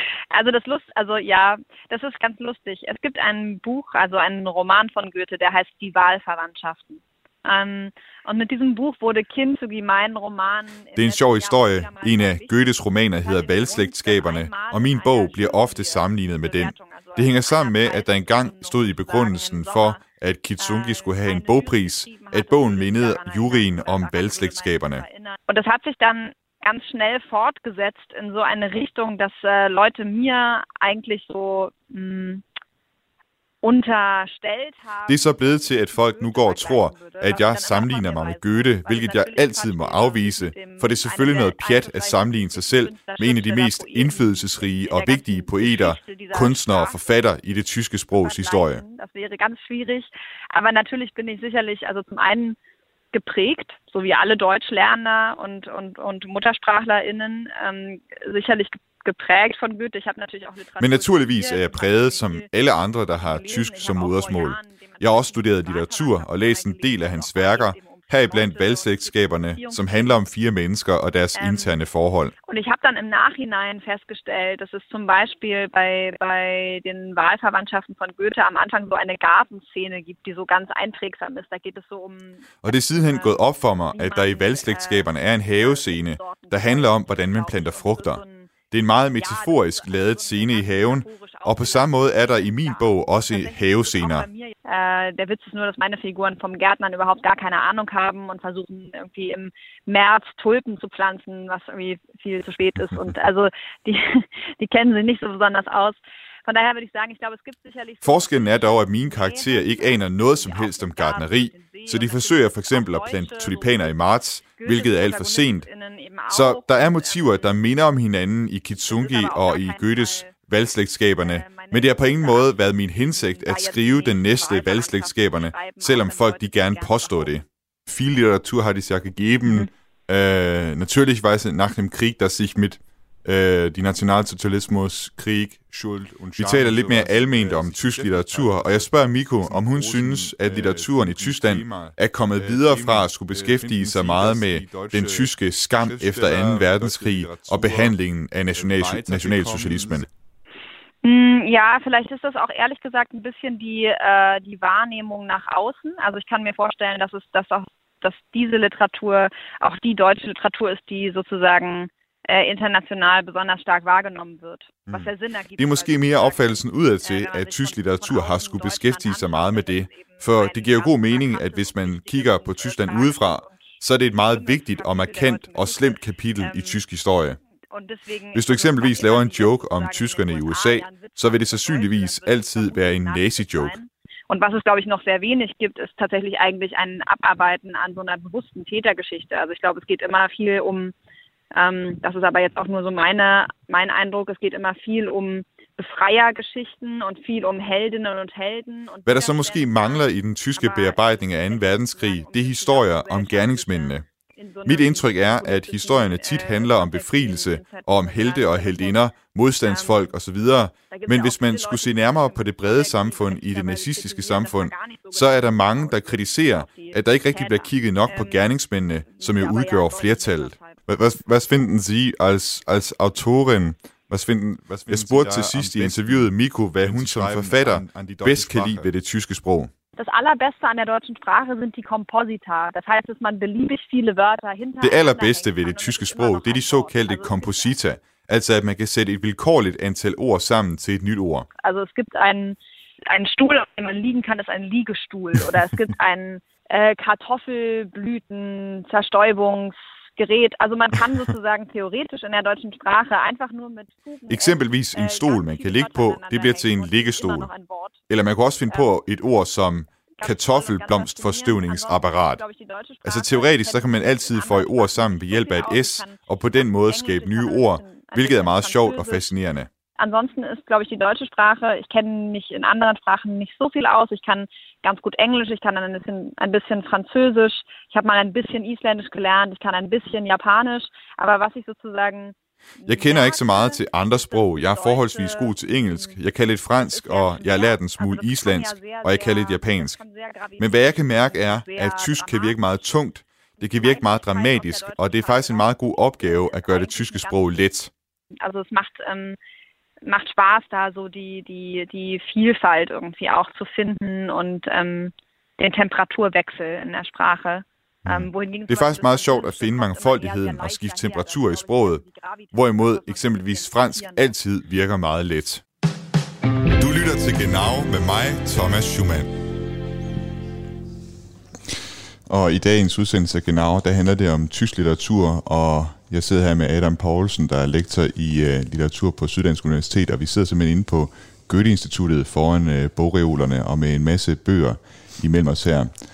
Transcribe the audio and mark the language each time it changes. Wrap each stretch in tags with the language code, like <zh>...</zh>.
<de>Also das lust, also ja, das ist ganz lustig. Es gibt ein Buch, also einen Roman von Goethe, der heißt Die Wahlverwandtschaften. Und mit diesem Buch wurde Kind zu gemeinen Roman.</de> <da>Det er en sjov historie. En af Goethes romaner hedder Valgslægtskaberne, og min bog bliver ofte sammenlignet med den. Det hænger sammen med, at der engang stod i begrundelsen for, at Kitsunki skulle have en bogpris, at bogen mindede juryen om Valgslægtskaberne. Og det har sig</da> <de>dann ganz schnell fortgesetzt in so eine Richtung, dass Leute mir eigentlich so unterstellt haben.</de> <da>Det er så blevet til, at folk nu går og tror, at jeg sammenligner mig med Goethe, hvilket jeg altid må afvise, for det er selvfølgelig noget pjat at sammenligne sig selv med en af de mest indflydelsesrige og vigtige poeter, kunstnere og forfatter i det tyske sprogs historie.</da> <de>Das wäre ganz schwierig, aber natürlich bin ich sicherlich, also zum einen geprägt, so wie alle Deutschlerner und Muttersprachlerinnen sicherlich geprägt von Goethe. Ich habe natürlich auch Literatur.</de> <da>Men naturligvis er jeg præget som alle andre, der har tysk som modersmål. Jeg har også studeret litteratur og læst en del af hans værker, heriblandt Valgslægtskaberne, som handler om fire mennesker og deres interne forhold.</da> <de>Und ich habe dann im Nachhinein festgestellt, dass es zum Beispiel bei den Wahlverwandtschaften von Goethe am Anfang so eine Gartenszene gibt, die so ganz einprägsam ist. Da geht es so um.</de> <da>Og det er sidenhen gået op for mig, at der i Valgslægtskaberne er en havescene, der handler om, hvordan man planter frugter. Det er en meget metaforisk ladet scene i haven, og på samme måde er der i min bog også havescener.</da> <de>Der Witz ist nur, dass meine Figuren vom Gärtnern überhaupt gar keine Ahnung haben und versuchen irgendwie im März Tulpen zu pflanzen, was irgendwie viel zu spät ist. Und also die kennen sie nicht so besonders aus. Von daher würde ich sagen, ich glaube, es gibt sicherlich.</de> <da>Forskellen er dog, at mine karakterer ikke aner noget som helst om gartneri, så de forsøger for eksempel at plante tulipaner i marts, hvilket er alt for sent. Så der er motiver, der minder om hinanden i Kitsunki og i Goethes Valgslægtskaberne, men det har på ingen måde været min hensigt at skrive den næste Valgslægtskaberne, selvom folk de gerne påstår det.</da> <de>Viel litteratur har de sig gegeben, naturligvis nach dem Krieg, der sich mit die Nationalsozialismus, Krieg, Schuld und Scham.</de> <da>Vi taler lidt mere alment om tysk litteratur, og jeg spørger Miko, om hun synes, at litteraturen i Tyskland er kommet videre fra at skulle beskæftige sig meget med den tyske skam efter 2. verdenskrig og behandlingen af nationalsocialismen.</da> <de>Ja, vielleicht ist das auch ehrlich gesagt ein bisschen die Wahrnehmung nach außen. Also ich kann mir vorstellen, dass diese Literatur auch die deutsche Literatur ist, die sozusagen international besonders stark wahrgenommen wird. Was der Sinn ergibt.</de> <da>Det er måske mere opfattelsen udadtil, at tysk litteratur har skulle beskæftige sig meget med det. For det giver jo god mening, at hvis man kigger på Tyskland udefra, så er det et meget vigtigt og markant og slemt kapitel i tysk historie. Hvis du eksempelvis laver en joke om tyskerne i USA, så vil det sandsynligvis altid være en nazi-joke.</da> <de>Und was es, glaube ich, noch sehr wenig gibt, ist tatsächlich eigentlich ein Abarbeiten an so einer bewussten Tätergeschichte. Also ich glaube, es geht immer viel um, das ist aber jetzt auch nur so mein Eindruck, es geht immer viel um Befreiergeschichten und viel um Heldinnen und Helden.</de> <da>Hvad der så måske mangler i den tyske bearbejdning af 2. verdenskrig, det er historier om gerningsmændene. Mit indtryk er, at historierne tit handler om befrielse og om helte og heldinder, modstandsfolk osv., men hvis man skulle se nærmere på det brede samfund i det nazistiske samfund, så er der mange, der kritiserer, at der ikke rigtig bliver kigget nok på gerningsmændene, som jo udgør flertallet.</da> <de>Hvad finder Sie als Autorin?</de> <da>Jeg spurgte til sidst i interviewet Miko, hvad hun som forfatter bedst kan lide ved det tyske sprog.</da> <de>Das allerbeste an der deutschen Sprache sind die Komposita. Das heißt, dass man beliebig viele Wörter hinter.</de> <da>Det allerbedste ved det tyske sprog, det er de såkaldte komposita, altså at man kan sætte et vilkårligt antal ord sammen til et nyt ord.</da> <de>Also es gibt einen Stuhl, auf dem man liegen kann, ist ein Liegestuhl, oder es gibt einen Kartoffelblüten Zerstäubungs Gerät. Also man kann sozusagen theoretisch in der deutschen Sprache einfach nur mit Fugen</de> <da>eksempelvis en stol, man kan ligge på, det bliver til en liggestol. Eller man kan også finde på et ord som kartoffelblomstforstøvningsapparat. Altså teoretisk, så kan man altid få et ord sammen ved hjælp af et S, og på den måde skabe nye ord, hvilket er meget sjovt og fascinerende.</da> <de>Ansonsten ist, glaube ich, die deutsche Sprache. Ich kenne mich in anderen Sprachen nicht so viel aus. Ich kann ganz gut Englisch, ich kann ein bisschen Französisch. Ich habe mal ein bisschen Isländisch gelernt, ich kann ein bisschen Japanisch. Aber was ich sozusagen...</de> <da>Jeg kender ikke så meget til andre sprog. Jeg er forholdsvis god til engelsk. Jeg kan lidt fransk, og jeg har lært en smule islandsk, og jeg kan lidt japansk. Men hvad jeg kan mærke er, at tysk kan virke meget tungt. Det kan virke meget dramatisk, og det er faktisk en meget god opgave at gøre det tyske sprog let.</da> <de>Altså, det macht... macht Spaß, da so die Vielfalt irgendwie auch zu finden und den Temperaturwechsel in der Sprache.</de> <da>Det er faktisk meget sjovt at finde mangfoldigheden og skifte temperatur i sproget, hvorimod eksempelvis fransk altid virker meget let. Du lytter til Genau med mig, Thomas Schumann. Og i dagens udsendelse af Genau, der handler det om tysk litteratur, og jeg sidder her med Adam Poulsen, der er lektor i litteratur på Syddansk Universitet, og vi sidder simpelthen inde på Goethe-instituttet foran bogreolerne og med en masse bøger imellem os her.</da>